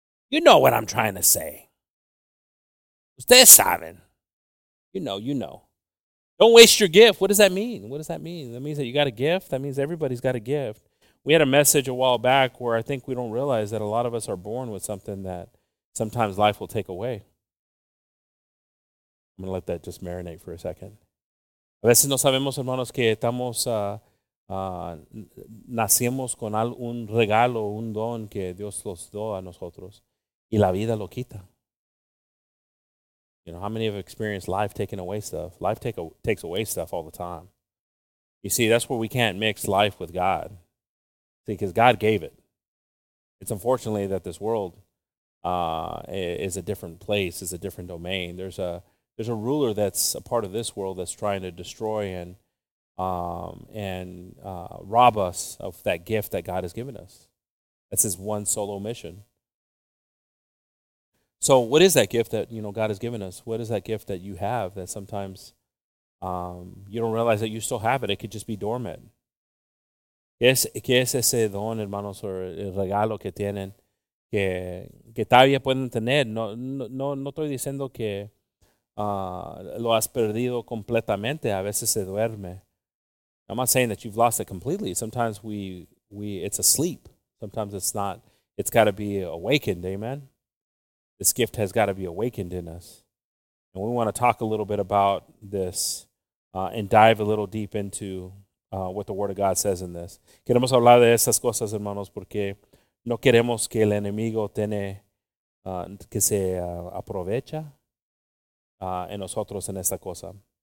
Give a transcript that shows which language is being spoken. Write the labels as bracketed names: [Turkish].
[English] You know what I'm trying to say. [Spanish] Ustedes saben. [English] You know. Don't waste your gift. What does that mean? That means that you got a gift. That means everybody's got a gift. We had a message a while back where I think we don't realize that a lot of us are born with something that sometimes life will take away. I'm going to let that just marinate for a second. [Spanish] A veces no sabemos, hermanos, que estamos, nacimos con un regalo, un don que Dios los dio a nosotros, y la vida lo quita. [English] You know, how many have experienced life taking away stuff? Life takes away stuff all the time. You see, that's where we can't mix life with God. See, because God gave it. It's unfortunately that this world is a different place, is a different domain. There's a ruler that's a part of this world that's trying to destroy and rob us of that gift that God has given us. That's his one solo mission. So what is that gift that, you know, God has given us? What is that gift that you have that sometimes you don't realize that you still have it? It could just be dormant. [Spanish] ¿Qué es ese don, hermanos, o el regalo que tienen? Que todavía pueden tener. No estoy diciendo que lo has perdido completamente. A veces se duerme. [English] I'm not saying that you've lost it completely. Sometimes we it's asleep. Sometimes it's not. It's got to be awakened. Amen. This gift has got to be awakened in us. And we want to talk a little bit about this and dive a little deep into what the Word of God says in this. [Spanish] Queremos hablar de esas cosas, hermanos, porque no queremos que el enemigo tiene que se aprovecha en nosotros en esta cosa.